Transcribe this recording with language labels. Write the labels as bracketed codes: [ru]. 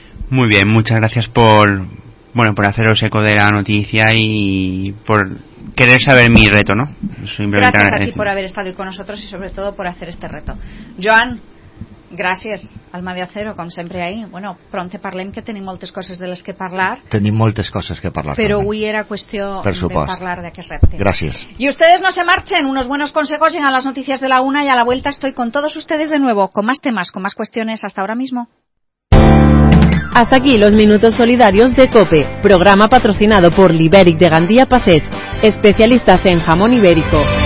[es] Muy bien, muchas gracias por... bueno, por haceros eco de la noticia y por querer saber mi reto, ¿no? Simplemente gracias a ti por haber estado hoy con nosotros y sobre todo por hacer este reto. Joan, gracias. Alma de Acero, como siempre ahí. [ca] Bueno, pronto parlem, que tenim moltes coses de les que parlar. Tenim moltes coses que parlar. Però avui era qüestió de parlar de aquest repte. Gràcies. [es] Y ustedes no se marchen. Unos buenos consejos llegan a las noticias de la una y a la vuelta estoy con todos ustedes de nuevo, con más temas, con más cuestiones, hasta ahora mismo. Hasta aquí los minutos solidarios de COPE, programa patrocinado por Libéric de Gandía Passeig, especialistas en jamón ibérico.